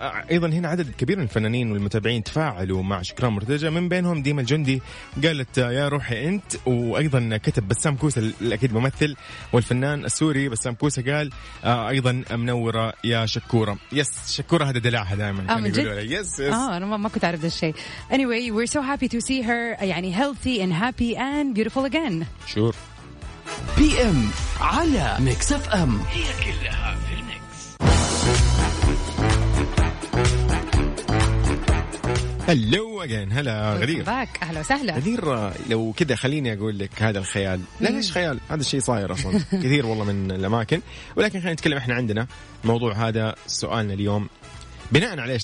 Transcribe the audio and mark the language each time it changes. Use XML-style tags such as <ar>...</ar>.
<ar>أيضا هنا عدد كبير من الفنانين والمتابعين تفاعلوا مع شكران مرتجى، من بينهم ديما الجندي قالت يا روحي أنت، وأيضا كتب بسام كوسة الأكيد ممثل والفنان السوري بسام كوسة قال أيضا منورة يا شكورة. يس شكورة هذا دلعها دائما. أنا ما كنت أعرف ذا الشيء.</ar> <en>Anyway we're so happy to see her</en> <ar>يعني</ar> <en>healthy and happy and beautiful again. Sure.</en> <ar>PM على Mix FM هي كلها في الميكس. هلو أجين، هلا غدير باك، أهلا وسهلا غدير. لو كذا خليني أقول لك هذا الخيال، لا ليش خيال، هذا الشيء صاير أصلا كثير والله من الأماكن، ولكن خلينا نتكلم إحنا عندنا موضوع هذا سؤالنا اليوم بناء على إيش.</ar>